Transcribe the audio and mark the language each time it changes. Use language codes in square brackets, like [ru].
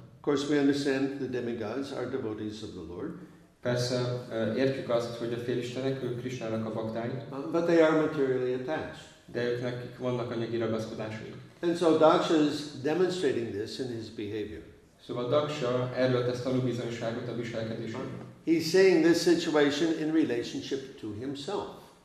[en] Of course, we understand the demigods are devotees of the Lord. [hu] Persze, értjük azt, hogy a félistenek, ők Krisnának a baktái. [en] But they are materially attached. [hu] De ők nekik vannak anyagi ragaszkodásaik. [en] And so Daksha is demonstrating this in his behavior. [hu] Szóval Daksha erről tesz tanúbizonyságot a viselkedésében. [en] He's seeing this situation in relationship to himself.